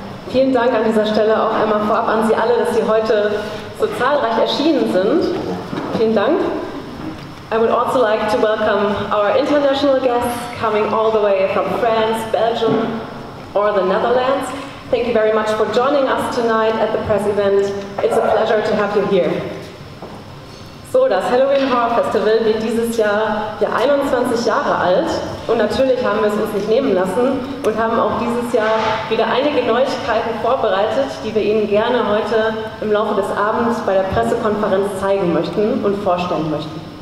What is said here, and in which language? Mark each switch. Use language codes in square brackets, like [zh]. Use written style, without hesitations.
[de] Vielen Dank an dieser Stelle auch einmal vorab an Sie alle, dass Sie heute so zahlreich erschienen sind. Vielen Dank. [en] I would also like to welcome our international guests coming all the way from France, Belgium or the Netherlands. Thank you very much for joining us tonight at the press event. It's a pleasure to have you here. [de] So, das Halloween Horror Festival wird dieses Jahr ja 21 Jahre alt und natürlich haben wir es uns nicht nehmen lassen und haben auch dieses Jahr wieder einige Neuigkeiten vorbereitet, die wir Ihnen gerne heute im Laufe des Abends bei der Pressekonferenz zeigen möchten und vorstellen möchten.